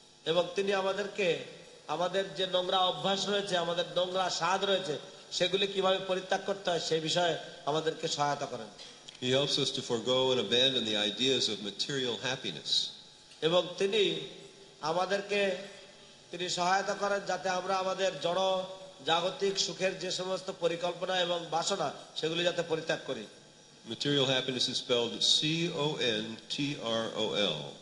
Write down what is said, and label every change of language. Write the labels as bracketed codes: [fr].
[bn] এবং তিনি আমাদেরকে আমাদের যে নোংরা অভ্যাস রয়েছে, আমাদের নোংরা স্বাদ রয়েছে, সেগুলি কিভাবে পরিত্যাগ করতে হয় সেই বিষয়ে আমাদেরকে সহায়তা করেন. [en] He helps us to forgo and abandon the ideas of material happiness. [bn] এবং তিনি আমাদেরকে তিনি সহায়তা করেন যাতে আমরা আমাদের জড় জাগতিক সুখের যে সমস্ত পরিকল্পনা এবং বাসনা সেগুলি যাতে পরিত্যাগ করি. [en] Material happiness is spelled CONTROL.